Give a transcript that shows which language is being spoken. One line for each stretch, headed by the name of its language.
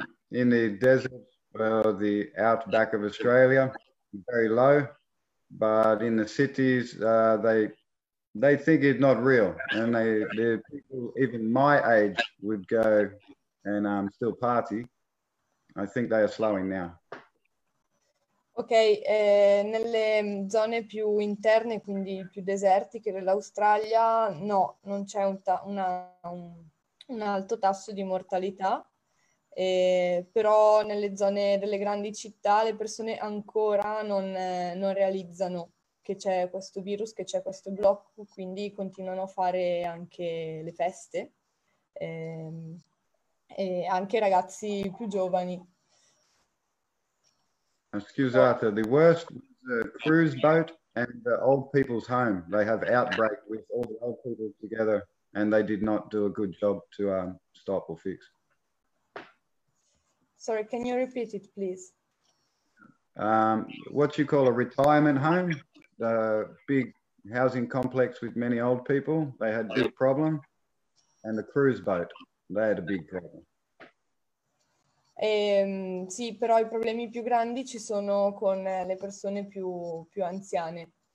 English: In the desert, well, the outback of Australia, very low, but in the cities, they think it's not real. And the people, even my age, would go and still party. I think they are slowing now.
Italian: Ok, nelle zone più interne, quindi più desertiche dell'Australia, no, non c'è un alto tasso di mortalità, però nelle zone delle grandi città le persone ancora non realizzano che c'è questo virus, che c'è questo blocco, quindi continuano a fare anche le feste, e anche ragazzi più giovani.
English: Excuse Arthur, the worst was the cruise boat and the old people's home. They have outbreak with all the old people together and they did not do a good job to stop or fix. Sorry, can you repeat it, please? What you call a retirement home, the big housing complex with many old people, they had a big problem. And the cruise boat, they had a big problem.
Italian: Sì, però i problemi più grandi ci sono con le persone più anziane.